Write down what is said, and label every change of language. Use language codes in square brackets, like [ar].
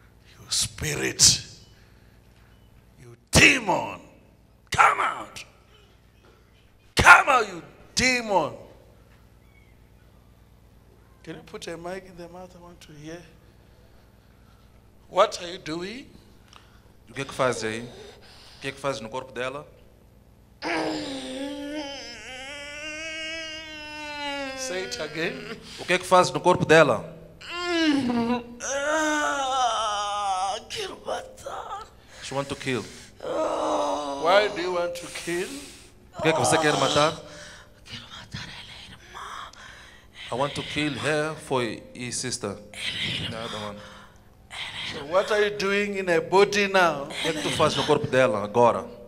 [en] You spirit, you demon, come out! Come out, you demon! Can you put a mic in the mouth? I want to hear. What are you doing? [pt] O que é que faz aí? O que é que faz no corpo dela? [en] Say it again. [pt] O que é que faz no corpo dela? Quero matar. [en] She want to kill. Why do you want to kill? [pt] O que é que você quer matar? Quero matar ela, irmã. [en] I want to kill her for his sister. [pt] Ela, irmã. [en] The other one. [pt] Ela, [en] so what are you doing in her body now? [pt] O que é que tu faz no corpo dela agora?